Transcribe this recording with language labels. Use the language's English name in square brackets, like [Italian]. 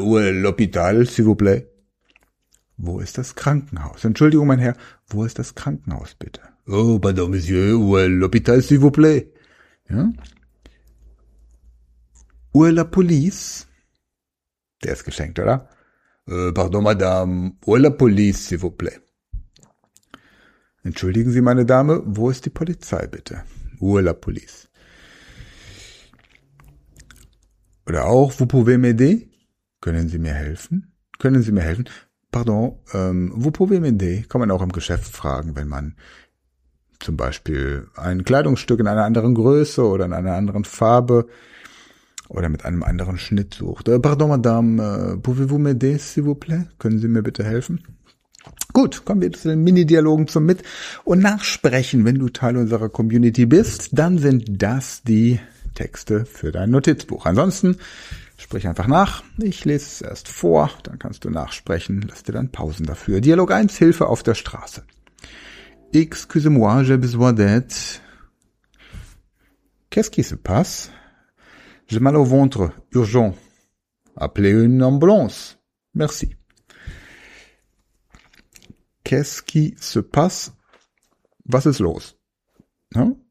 [French] Où est l'hôpital, s'il vous plaît? [German] Wo ist das Krankenhaus? Entschuldigung, mein Herr, wo ist das Krankenhaus, bitte? [French] Oh, pardon, monsieur, où est l'hôpital, s'il vous plaît? [German] Ja? [French] Où est la police? [German] Der ist geschenkt, oder? [French] Pardon, madame, où est la police, s'il vous plaît? [German] Entschuldigen Sie, meine Dame, wo ist die Polizei, bitte? [French] Où est la police? [German] Oder auch, [French] vous pouvez m'aider? [German] Können Sie mir helfen? Können Sie mir helfen? [French] Pardon, vous pouvez m'aider? [German] Kann man auch im Geschäft fragen, wenn man zum Beispiel ein Kleidungsstück in einer anderen Größe oder in einer anderen Farbe oder mit einem anderen Schnitt sucht. [French] Pardon, madame, pouvez-vous m'aider, s'il vous plaît? [German] Können Sie mir bitte helfen? Gut, kommen wir zu den Mini-Dialogen zum Mit- und Nachsprechen. Wenn du Teil unserer Community bist, dann sind das die Texte für dein Notizbuch. Ansonsten sprich einfach nach, ich lese es erst vor, dann kannst du nachsprechen, lass dir dann Pausen dafür. Dialog 1, Hilfe auf der Straße. [French] Excusez-moi, j'ai besoin d'aide. Qu'est-ce qui se passe? J'ai mal au ventre, urgent. Appelez une ambulance. Merci. Qu'est-ce qui se passe? [German] Was ist los? [French] Hein?